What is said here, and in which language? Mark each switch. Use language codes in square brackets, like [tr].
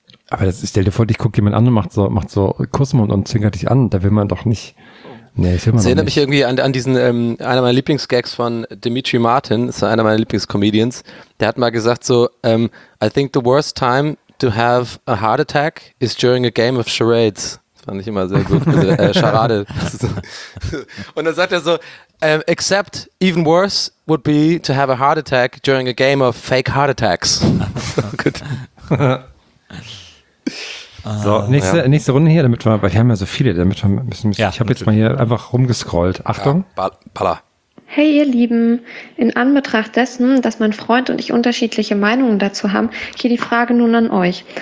[de] Aber stell dir vor, ich gucke jemand an und macht so Kussmund und zwinkert dich an. Da will man doch nicht Nee, ich erinnere mich irgendwie an diesen, einer meiner Lieblingsgags von Dimitri Martin, ist einer meiner Lieblingscomedians, der hat mal gesagt so, [en] I think the worst time to have a heart attack is during a game of charades. [de] Fand ich immer sehr gut. Also, Charade. Und dann sagt er so, [en] except even worse would be to have a heart attack during a game of fake heart attacks. [de] Gut. So, nächste Runde hier, damit wir, weil wir haben ja so viele, damit wir ein bisschen, ja, ich habe jetzt mal hier einfach rumgescrollt. Achtung. Ja, baller. Hey ihr Lieben, in Anbetracht dessen, dass mein Freund und ich unterschiedliche Meinungen dazu haben, hier die Frage nun an euch.